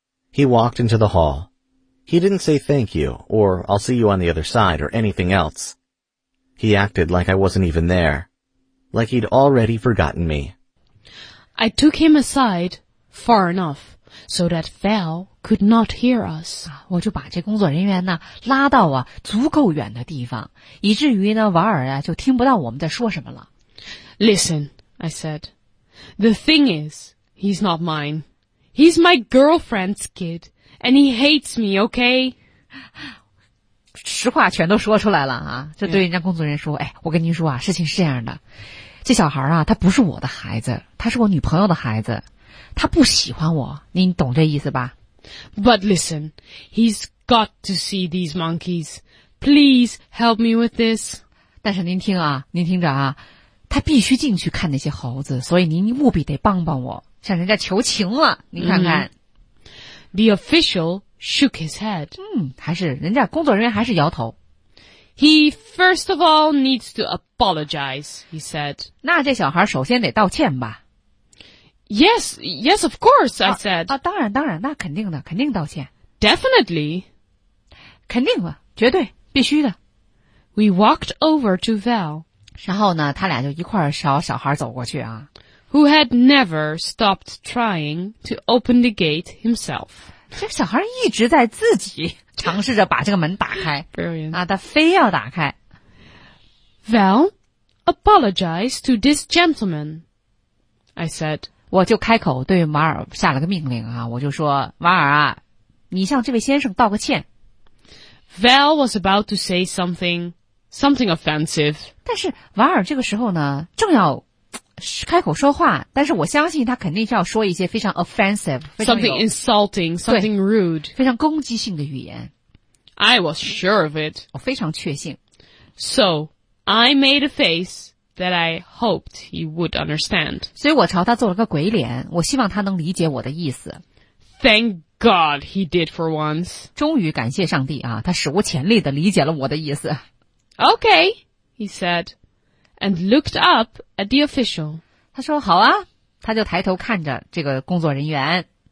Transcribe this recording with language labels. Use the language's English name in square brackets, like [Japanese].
[English] He walked into the hall. He didn't say thank you, or I'll see you on the other side, or anything else. He acted like I wasn't even there, like he'd already forgotten me. I took him aside far enough. So that Val could not hear us. [Chinese] 我就把这工作人员呢拉到啊足够远的地方以至于呢瓦尔啊就听不到我们在说什么了。 [English] Listen, I said. The thing is, he's not mine. He's my girlfriend's kid, and he hates me, okay? [Chinese] 实话全都说出来了啊，就对人家工作人员说，哎，我跟您说啊，事情是这样的，这小孩啊，他不是我的孩子，他是我女朋友的孩子，他不喜欢我，您懂这意思吧？ [English] But listen, he's got to see these monkeys. Please help me with this. [Chinese] 但是您听啊，您听着啊，他必须进去看那些猴子，所以您务必得帮帮我，向人家求情了，您看看。 [English] The official shook his head. [Chinese] 还是人家工作人员还是摇头。 [English] He first of all needs to apologize, he said. [Chinese] 那这小孩首先得道歉吧。 [English] Yes, yes, of course, I said. [Chinese] 当然当然，那肯定的，肯定道歉。 [English] Definitely. [Chinese] 肯定了，绝对，必须的。 [English] We walked over to Val. [Chinese] 然后呢，他俩就一块儿朝小孩走过去啊。 [English] Who had never stopped trying to open the gate himself. [Chinese] 这小孩一直在自己尝试着把这个门打开。 [English] Brilliant. [Chinese] 啊，他非要打开。 [English] Val, apologize to this gentleman, I said. [Chinese] 我就开口对马尔下了个命令啊，我就说，马尔啊，你向这位先生道个歉。 [English] Val was about to say something offensive. [Chinese] 但是马尔这个时候呢，正要开口说话，但是我相信他肯定是要说一些非常 offensive, [English] something insulting, something rude, [Chinese] 非常攻击性的语言。 [English] I was sure of it. [Chinese] 我非常确信。 [English] So, I made a face that I hoped he would understand. [Chinese] 所以我朝他做了个鬼脸，我希望他能理解我的意思。 [English] Thank God he did for once. [Chinese] 终于感谢上帝啊，他史无前例地理解了我的意思。 [English] Okay, he said. And looked up at the official. [Chinese] 他说好啊，他就抬头看着这个工作人员。